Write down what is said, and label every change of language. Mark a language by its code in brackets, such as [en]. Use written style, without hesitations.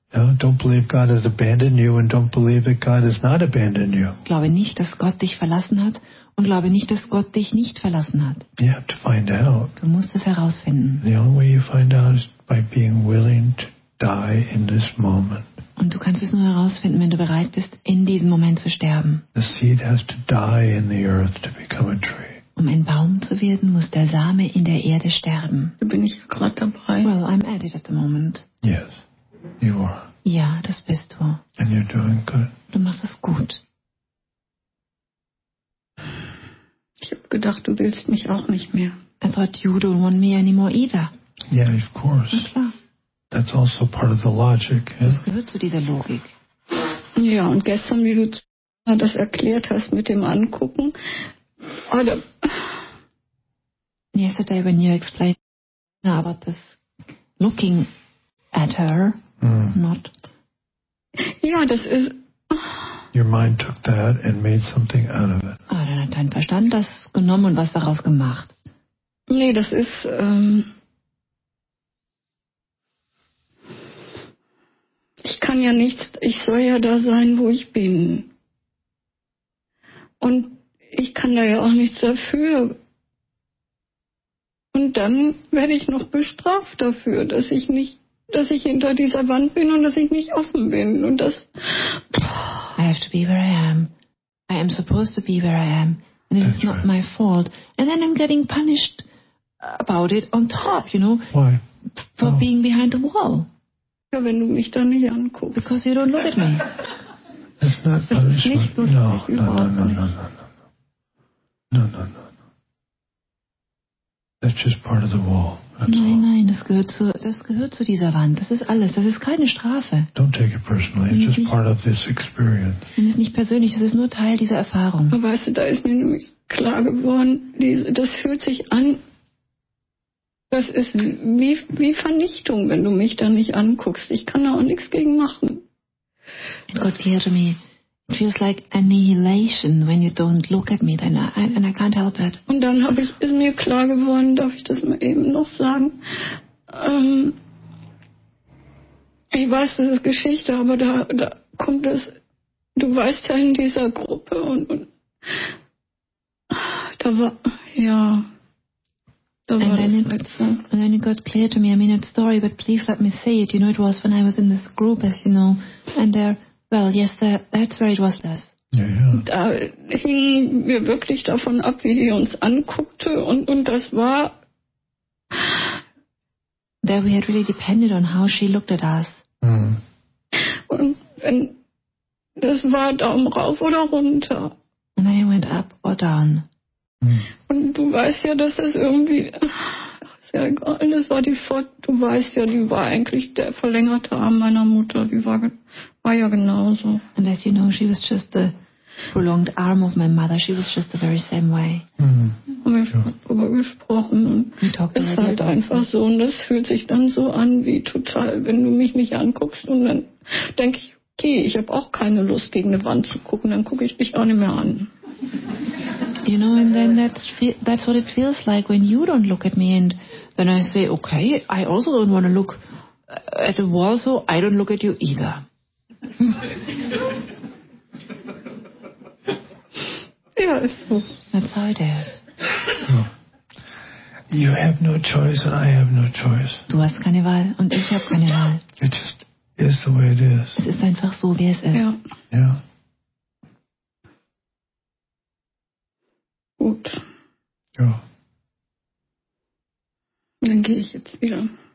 [en] Yeah? Don't believe God has abandoned you and don't believe that God has not abandoned you. [de] Glaube nicht, dass Gott dich verlassen hat und glaube nicht, dass Gott dich nicht verlassen hat. [en] You have to find out. [de] Du musst es herausfinden. [en] The only way you find out is by being willing to die in this moment. [de] Und du kannst es nur herausfinden, wenn du bereit bist, in diesem Moment zu sterben. [en] The seed has to die in the earth to become a tree. [de] Um ein Baum zu werden, muss der Same in der Erde sterben. Da bin ich gerade dabei. [en] Well, I'm at it at the moment. Yes, you are. [de] Ja, das bist du. [en] And you're doing good. [de] Du machst es gut. Ich habe gedacht, du willst mich auch nicht mehr. [en] I thought you don't want me anymore either. Yeah, of course. [de] Na klar. [en] That's also part of the logic. Yeah? [de] Das gehört zu dieser Logik. Ja, und gestern, wie du das erklärt hast mit dem Angucken. Oder [en] yesterday, when you explained about this looking at her, not. [de] Ja, das ist. [en] Your mind took that and made something out of it. [de] Ah, dann hat dein Verstand das genommen und was daraus gemacht. Nee, das ist. Ich kann ja nichts, ich soll ja da sein, wo ich bin. Und ich kann da ja auch nichts dafür. Und dann werde ich noch bestraft dafür, dass ich nicht, dass ich hinter dieser Wand bin und dass ich nicht offen bin. Und das. [en] I have to be where I am. I am supposed to be where I am. And it's not my fault. And then I'm getting punished about it on top, you know. Why? For being behind the wall. [de] Ja, wenn du mich da nicht anguckst. [en] Because you don't look at me. It's not punishment. No. That's just part of the wall. [de] Nein, das gehört zu dieser Wand. Das ist alles. Das ist keine Strafe. [en] Don't take it personally. It's just part of this experience. [de] Nimm es nicht persönlich. Das ist nur Teil dieser Erfahrung. Aber weißt du, da ist mir nämlich klar geworden, das fühlt sich an. Das ist wie Vernichtung, wenn du mich da nicht anguckst. Ich kann da auch nichts gegen machen. [en] God, hear to me. It feels like annihilation when you don't look at me and I can't help it. [de] Und dann ist mir klar geworden, darf ich das mal eben noch sagen? Ich weiß, das ist Geschichte, aber da kommt das. Du weißt ja in dieser Gruppe und da war, ja. [en] And then it got clear to me. I mean, it's a story, but please let me say it. You know, it was when I was in this group, as you know. And there, well, yes, that's where it was. This. Yeah. [de] Da hingen wir wirklich davon ab, wie die uns anguckte, und das war. [en] There we had really depended on how she looked at us. [de] Und wenn das war Daumen rauf oder runter. [en] And then it went up or down. [de] Und du weißt ja, dass das irgendwie, ist ja egal, das war die Fort, du weißt ja, die war eigentlich der verlängerte Arm meiner Mutter, die war ja genauso. [en] And as you know, she was just the prolonged arm of my mother, she was just the very same way. [de] Und wir haben darüber gesprochen und es ist halt einfach so, und das fühlt sich dann so an wie total, wenn du mich nicht anguckst und dann denke ich, okay, ich habe auch keine Lust, gegen eine Wand zu gucken, dann gucke ich mich auch nicht mehr an. [en] You know, and then that's what it feels like when you don't look at me, and then I say, okay, I also don't want to look at a wall, so I don't look at you either. Yeah, it's so. That's how it is. You have no choice and I have no choice. [de] Du hast keine Wahl und ich habe keine Wahl. [en] It just is the way it is. [de] Es ist einfach so, wie es ist. Ja. Ja. Gut. Ja. Dann gehe ich jetzt wieder.